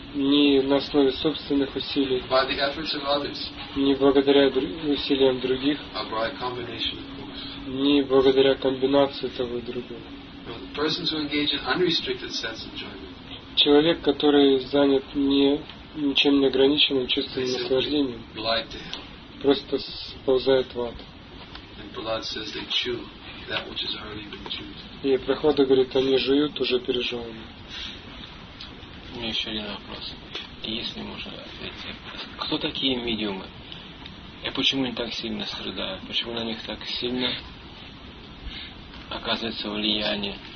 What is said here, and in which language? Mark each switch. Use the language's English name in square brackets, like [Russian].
[Russian] Ни на основе собственных усилий, [English] by the efforts of others. [Russian] Ни благодаря усилиям других, [English] or by a combination, of course. [Russian] Ни благодаря комбинации того и другого. [English] The persons who engage in unrestricted sense enjoyment. [Russian] Человек, который занят ничем не ограниченным чувственным наслаждением, просто сползает в ад. [English] And Prahlad says they chew that which has already been chewed. [Russian] И Прохлада говорит, они жуют уже пережеванное. У меня еще один вопрос. Если можно ответить. Кто такие медиумы? И почему они так сильно страдают? Почему на них так сильно оказывается влияние?